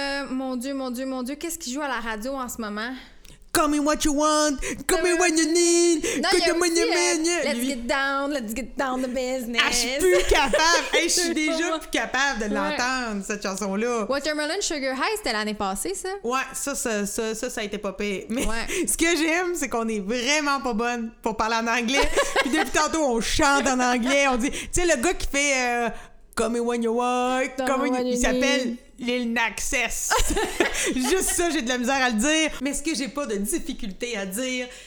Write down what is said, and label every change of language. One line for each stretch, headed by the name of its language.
French: Mon Dieu, qu'est-ce qui joue à la radio en ce moment?
English: Call me what you want, call me when you need, call me when you mean. Let's get down to business.
French: Ah, je suis plus capable. Hey, je suis déjà plus capable de l'entendre, cette chanson-là. Watermelon Sugar High, c'était l'année passée, ça. Ouais, ça a été popé. Mais ce que j'aime, c'est qu'on est vraiment pas bonne pour parler en anglais. Puis depuis tantôt, on chante en anglais. On dit, tu sais, le gars qui fait
English: call me when you want, call me when you need.
French: Il s'appelle Lil Naxxess. Juste ça, j'ai de la misère à le dire. Mais ce que j'ai pas de difficulté à dire,